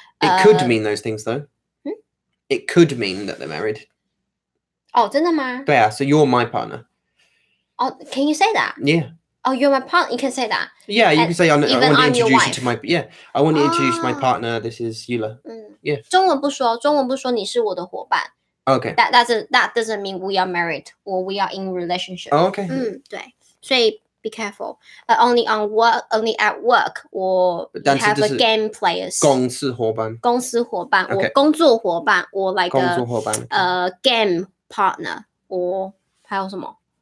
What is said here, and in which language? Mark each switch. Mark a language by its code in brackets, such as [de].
[en] It could mean those things, though. It could mean that they're married. [zh] 哦、oh, ，真的吗？ [en] 对啊 so you're my partner. Oh, can you say that? Yeah. Oh, you're my partner. You can say that. Yeah, you can say, I want to introduce my partner. This is Yula. Yeah. [zh] 中文不说你是我的伙伴。 [en] Okay. That doesn't mean we are married or we are in relationship. Oh, okay. [zh] 对。 [en] 所以 be careful. Only at work or you have a game players. [zh] 公司伙伴。公司伙伴 or 工作伙伴 or like 工作伙伴 [en] game partner or [zh] 还有什么？